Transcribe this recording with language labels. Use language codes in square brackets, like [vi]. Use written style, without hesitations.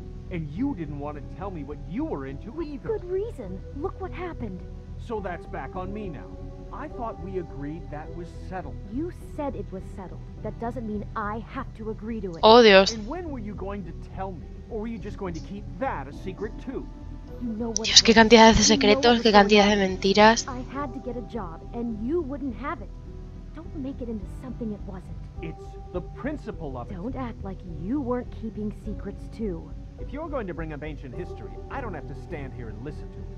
[en] And you didn't want to tell me what you were into either. Good reason. Look what happened. So that's back on me now. I thought we agreed that was settled. You said it was settled. That doesn't mean I have to agree to it. [es] Oh, Dios. [en] And when were you going to tell me? Or were you just going to keep that a secret too? [es] Dios, qué cantidad de secretos, qué cantidad de mentiras. [en] I had to get a job and you wouldn't have it. Don't make it into something it wasn't. It's the principle of it. Don't act like you weren't keeping secrets too. If you're going to bring up ancient history, I don't have to stand here and listen to it.